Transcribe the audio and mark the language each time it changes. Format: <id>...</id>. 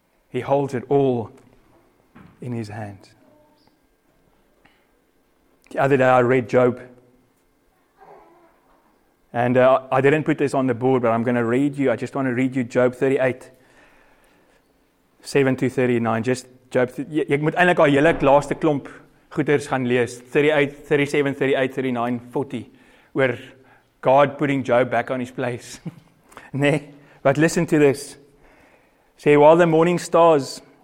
<en>He holds it all in his hands. The other day I read Job. And I didn't put this on the board, but I'm going to read you. I just want to read you Job 38. 7 to 39. Just Job.</en> <af>Ek moet eintlik al julle laaste klomp goeders gaan lees.</af> <en>38, 37, 38, 39, 40.</en> <af>Oor</af> <en>God putting Job back on his place. Nee, but listen to this. Say, while the morning stars...</en>